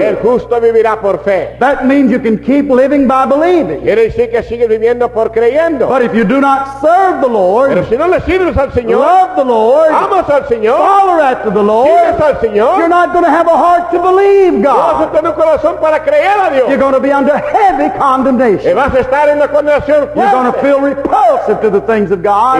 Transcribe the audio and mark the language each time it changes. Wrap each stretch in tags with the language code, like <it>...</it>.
<es>El justo vivirá por fe.</es> <en>That means you can keep living by believing.</en> <es>Quiere decir que sigue viviendo por creyendo.</es> <en>But if you do not serve the Lord,</en> <es>pero si no le sirves al Señor,</es> <en>love the Lord,</en> <es>amas al Señor,</es> <en>follow after the Lord,</en> <es>sigues al Señor,</es> <en>you're not going to have a heart to believe God.</en> <es>Vas a tener un corazón para creer a Dios.</es> <en>You're going to be under heavy condemnation.</en> <es>Y vas a estar en una condenación fuerte.</es> <en>You're going to feel repulsive to the things of God.</en>